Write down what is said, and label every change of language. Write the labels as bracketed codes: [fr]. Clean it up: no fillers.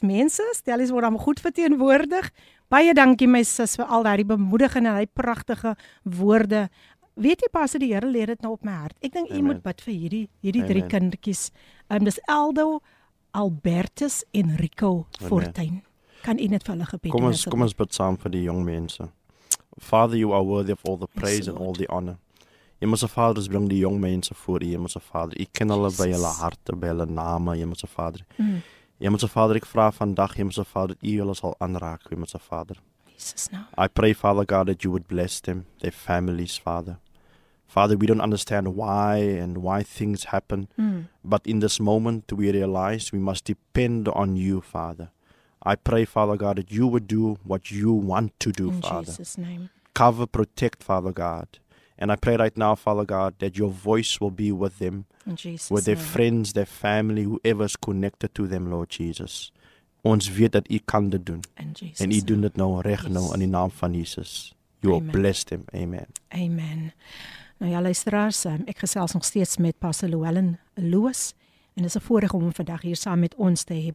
[af] Mense, Stellies word hom goed verteenwoordig. Baie dankie my sis vir al daardie bemoedigende en daardie pragtige woorde. Weet jy pas, die Here lê dit nou op my hart. Ek dink jy moet bid vir hierdie drie kindertjies. Dis Aldo, Albertus en Rico Fortuin. Kan jy net vir hulle gebed? Kom ons bid saam vir die jong mense. [en] Father, you are worthy of all the praise and all the honor. [af] Hemelse Vader, ons bring die jong mense voor U, Hemelse Vader. U ken hulle by hulle harte, by hulle name, Hemelse Vader. Hemelse Vader, ek vra vandag, Hemelse Vader, dat U hulle sal aanraak, Hemelse Vader. [en] I pray, Father God, that You would bless them, their families, Father. Father, we don't understand why and why things happen. But in this moment, we realize we must depend on You, Father. I pray, Father God, that You would do what You want to do, in Father. In Jesus' name. Cover, protect, Father God. And I pray right now, Father God, that Your voice will be with them, in Jesus' with their name. Friends, their family, whoever is connected to them, Lord Jesus. [af] Ons weet dat U kan dit doen. [en] In Jesus' [af] name. En U doen dit nou reg nou in die naam van Jesus. [en] You will bless them. [af] Amen. Amen. Nou ja, luisteraars, ek gesels nog steeds met Pastor Llewellyn Lewis. En dit is 'n voorreg om vandag hier saam met ons te hê.